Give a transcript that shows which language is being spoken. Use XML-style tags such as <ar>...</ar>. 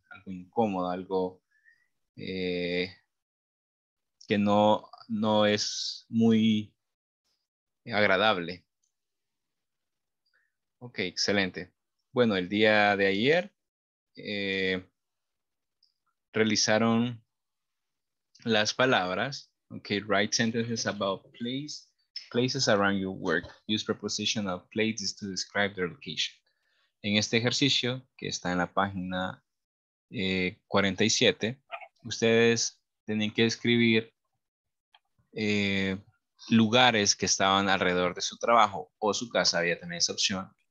<es>Algo incómodo, algo que no es muy agradable. Ok, excelente. Bueno, el día de ayer realizaron las palabras.</es> <en>Ok, write sentences about places around your work. Use prepositional places to describe their location.</en> <es>En este ejercicio, que está en la página 47, ustedes tienen que escribir lugares que estaban alrededor de su trabajo o su casa, había también esa opción.</es>